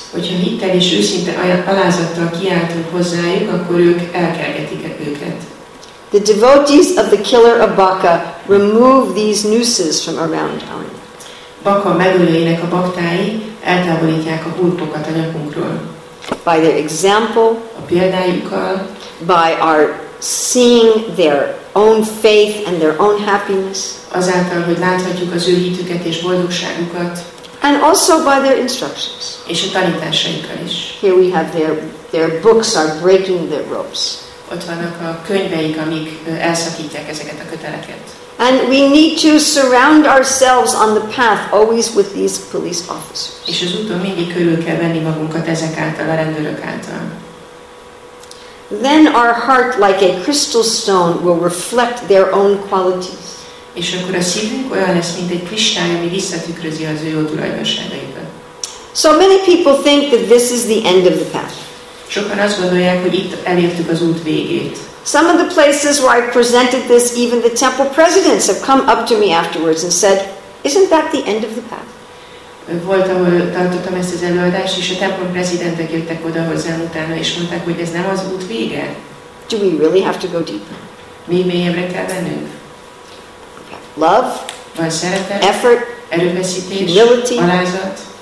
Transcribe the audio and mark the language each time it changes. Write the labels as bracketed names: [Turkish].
[Hungarian] Hogyha hittel és őszinte alázattal kiáltunk hozzájuk, akkor ők elkergetik őket. [English] The devotees of the killer of Bakka remove these nooses from around our neck. [Hungarian] Bakka megölőjének a baktái eltávolítják a burkokat a nyakunkról. [English] By their example, [Hungarian] a példájukkal, [English] by our seeing their own faith and their own happiness, [Hungarian] azáltal, hogy láthatjuk az ő hitüket és boldogságukat, [English] and also by their instructions, [Hungarian] és a tanításaikkal is. [English] Here we have their books are breaking their ropes. [Hungarian] Ott vannak a könyveik, amik elszakítják ezeket a köteleket. [English] And we need to surround ourselves on the path always with these police officers. [Hungarian] És az úton mindig körül kell venni magunkat ezek által, a rendőrök által. [English] Then our heart, like a crystal stone, will reflect their own qualities. [Hungarian] És akkor a szívünk olyan lesz, mint egy kristály, ami visszatükrözi az ő jó tulajdonságaikat. [English] So many people think that this is the end of the path. [Hungarian] Sokan azt gondolják, hogy itt elértük az út végét. [English] Some of the places where I presented this, even the temple presidents have come up to me afterwards and said, isn't that the end of the path? [Hungarian] Volt, ahol tartottam ezt az előadást, és a templom prezidentek jöttek oda hozzám utána, és mondták, hogy ez nem az út vége. [English] Do we really have to go deeper? [Hungarian] Mi mélyebbre kell bennünk? [English] Love, [Hungarian] van szeretet, [English] effort, [Hungarian] erőfeszítés, [English] humility, [Hungarian] alázat,